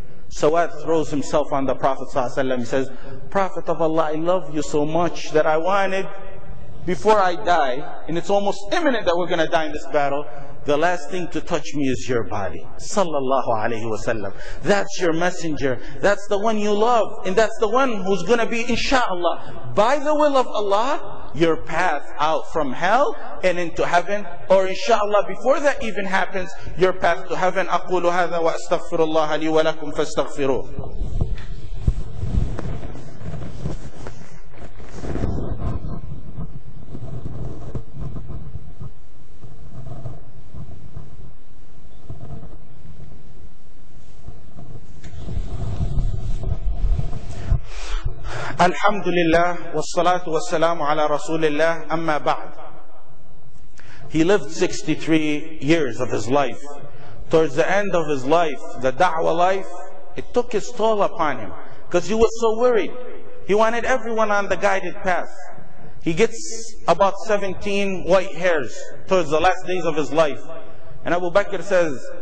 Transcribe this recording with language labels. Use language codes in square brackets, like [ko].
[en] Sawad throws himself on the Prophet ﷺ. He says, Prophet of Allah, I love you so much that I wanted, before I die, and it's almost imminent that we're going to die in this battle, the last thing to touch me is your body. Sallallahu alayhi wa sallam. That's your messenger. That's the one you love. And that's the one who's going to be, inshallah, by the will of Allah, your path out from hell and into heaven. Or inshallah, before that even happens, your path to heaven. [ar] أقول هذا وأستغفر الله لي ولكم فاستغفروه. الحمد لله والصلاة والسلام على رسول الله أما بعد. [en] He lived 63 years of his life. Towards the end of his life, the da'wah life, it took its toll upon him because he was so worried. He wanted everyone on the guided path. He gets about 17 white hairs towards the last days of his life. And Abu Bakr says,